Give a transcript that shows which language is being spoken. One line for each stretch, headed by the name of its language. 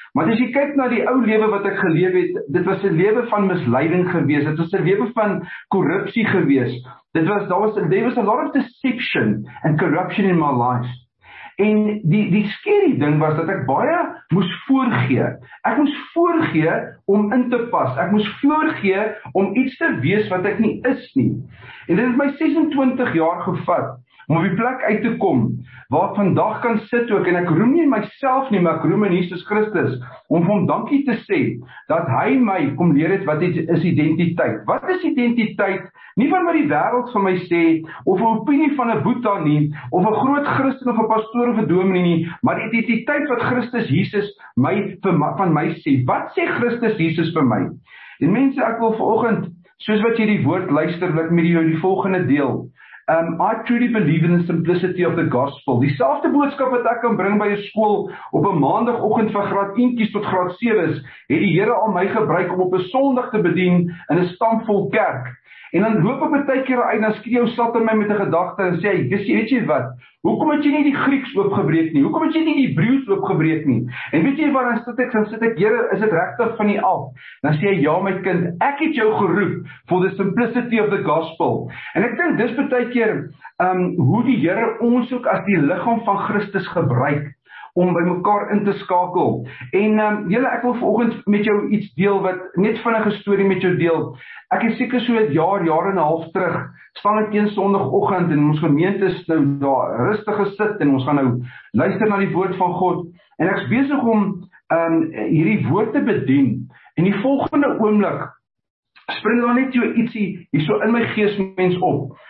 Afrikaans: Maar as jy kyk na die ou lewe wat ek geleef het, dit was 'n lewe van misleiding gewees, dit was 'n lewe van korrupsie gewees,
English: there was a lot of deception and corruption in my life.
Afrikaans: En die scary ding was dat ek baie moes voorgee. Ek moes voorgee om in te pas. Ek moes voorgee om iets te wees wat ek nie is nie. En dit het my 26 jaar gevat om op die plek uit te kom waar ek vandag kan sit ook. En ek roem nie myself nie, maar ek roem in Jesus Christus om vir hom dankie te sê dat hy my kom leer het wat is identiteit. Wat is identiteit? Nie van wat die wêreld van my sê, of 'n opinie van 'n Boeta nie, of 'n groot Christen of 'n pastoor of 'n dominee nie, maar die identiteit wat Christus Jesus my van my sê. Wat sê Christus Jesus vir my? En mense, ek wil vanoggend, soos wat jy die woord luister, wil ek met jou die volgende deel.
English: I truly believe in the simplicity of the gospel.
Afrikaans: Die selfde boodskap wat ek kan bring by 'n skool op 'n maandagoggend van graad 1 tot graad 7, het die Here aan my gebruik om op 'n Sondag te bedien in 'n stampvol kerk. En dan loop ek baie keer uit na skree jou sat in my met 'n gedagte en sê, dis jy, weet jy wat, hoekom het jy nie die Grieks oopgebreek nie? Hoekom het jy nie die Hebreeus oopgebreek nie? En weet jy waar, dan sit ek, Here, is dit regtig van die af? Dan sê jy, ja my kind, ek het jou geroep
English: for the simplicity of the gospel.
Afrikaans: En ek dink dis baie keer hoe die Here ons ook as die liggaam van Christus gebruik om by mekaar in te skakel. En julle, ek wil vanoggend met jou iets deel wat net vinnige storie met jou deel. Ek is seker so 'n jaar en 'n half terug, staan ek een sonoggend in ons gemeente nou daar rustig gesit en ons gaan nou luister na die woord van God en ek's besig om hierdie woord te bedien en die volgende oomblik spring daar net ietsie hierso in my gees mens op.